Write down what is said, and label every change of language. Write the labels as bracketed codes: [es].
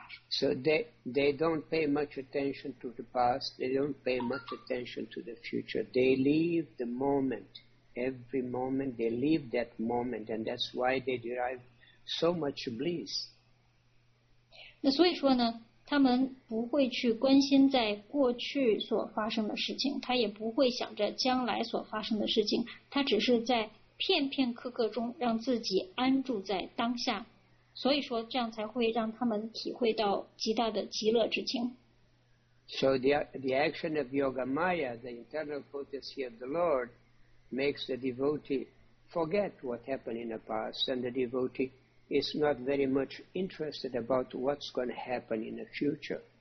[en] So they don't pay much attention to the past, they don't pay much attention to the future, they live the moment. Every moment they live that moment, and that's why they derive so much bliss. [zh] 那所以说呢，他们不会去关心在过去所发生的事情，他也不会想着将来所发生的事情，他只是在片片刻刻中让自己安住在当下，所以说这样才会让他们体会到极大的极乐之情。 [en] So the action of Yoga Maya, the internal potency of the Lord, makes the devotee forget what happened in the past, and the devotee is not very much interested about what's going to happen in the future.